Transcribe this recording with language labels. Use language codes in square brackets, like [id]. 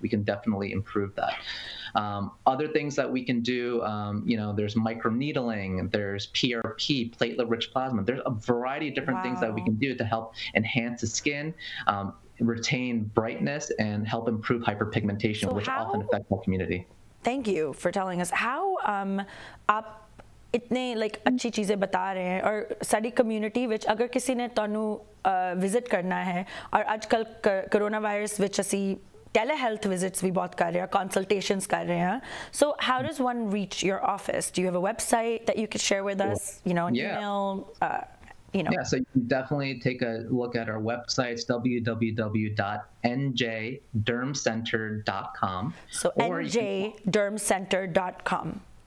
[en] We can definitely improve that. Other things that we can do, you know, there's microneedling, there's PRP, platelet-rich plasma. There's a variety of different things that we can do to help enhance the skin. Retain brightness and help improve hyperpigmentation, so which often affects our community. Thank you for telling us how [hi] आप इतने like अच्छी चीज़े बता रहे हैं और साडी community which अगर किसी ने तोनू विज़िट करना है और आजकल कोरोनावायरस विच अस्सी telehealth visits भी बहुत कर रहे हैं, कंसल्टेशंस कर रहे हैं. [en] So how does one reach your office? Do you have a website that you could share with us, you know, an email? Yeah, so you can definitely take a look at our website. It's www.njdermcenter.com. So njdermcenter.com.